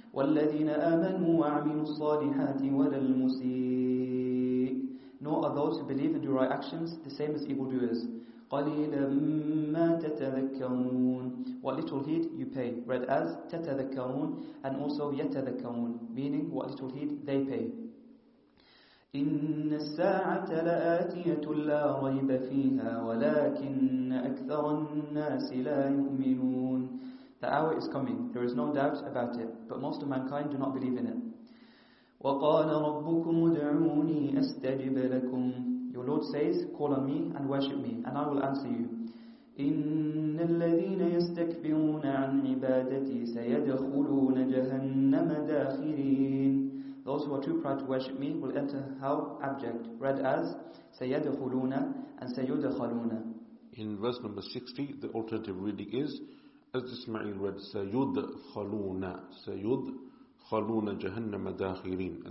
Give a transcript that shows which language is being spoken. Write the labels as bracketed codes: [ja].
[ar] وَالَّذِينَ آمَنُوا وَعَمِلُوا الصَّالِحَاتِ وَلَا الْمُسِيءِ. [en] nor are those who believe and do right actions the same as evildoers. What little heed you pay, read as تتذكرون, and also يتذكرون, meaning what little heed they pay. [ar] إن الساعة لآتية لا ريب فيها ولكن أكثر الناس لا يؤمنون. [en] The hour is coming, there is no doubt about it, but most of mankind do not believe in it. [ar] وقال ربكم ادعوني أستجب لكم. [en] Your Lord says, call on me and worship me, and I will answer you. [ar] إن الذين يستكبرون عن عبادتي سيدخلون جهنم داخرين. [en] Those who are too proud to worship me will enter hell abject, read as سيدخلون and سيدخلون. In verse number 60, the alternative reading is, as Ismail read, [ar] سيدخلون جهنم داخرين.